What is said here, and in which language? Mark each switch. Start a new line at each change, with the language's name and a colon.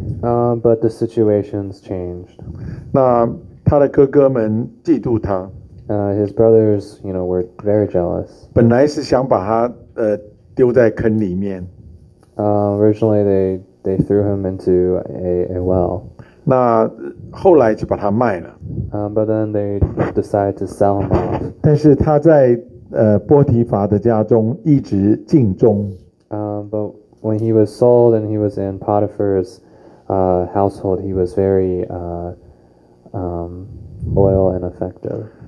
English: But the situations changed.
Chinese: 那他的哥哥们嫉妒他。
English: His brothers, you know, were very jealous.
Chinese: 本来是想把他丢在坑里面。
English: Originally, they threw him into a well.
Chinese: 那后来就把他卖了。
English: But then they decided to sell him off.
Chinese: 但是他在波提法的家中一直尽忠。
English: But when he was sold and he was in Potiphar's household, he was very loyal and effective.